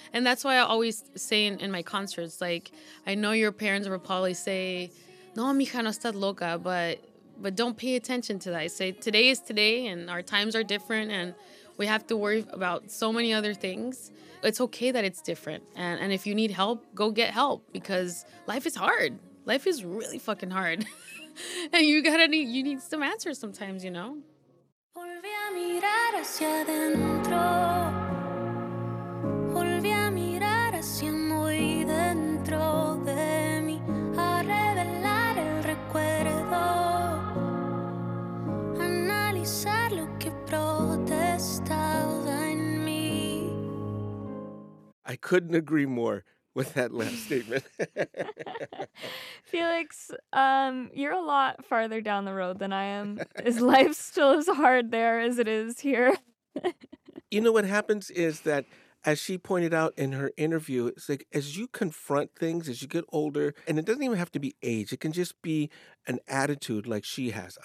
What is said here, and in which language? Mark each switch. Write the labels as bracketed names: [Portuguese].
[English] And that's why I always say in my concerts, like, I know your parents will probably say, [Spanish] no, mija, no estás loca, [English] but don't pay attention to that. I say, today is today and our times are different and we have to worry about so many other things. It's okay that it's different. And if you need help, go get help, because life is hard. Life is really fucking hard. And you need some answers sometimes, you know? [Spanish] Volví a mirar hacia adentro. Volví a mirar hacia muy dentro de mí, a revelar el recuerdo, analizar lo que protestaba en mí. [English] I couldn't agree more with that last statement. Felix, you're a lot farther down the road than I am. Is life still as hard there as it is here? You know, what happens is that, as she pointed out in her interview, it's like as you confront things, as you get older, and it doesn't even have to be age, it can just be an attitude like she has.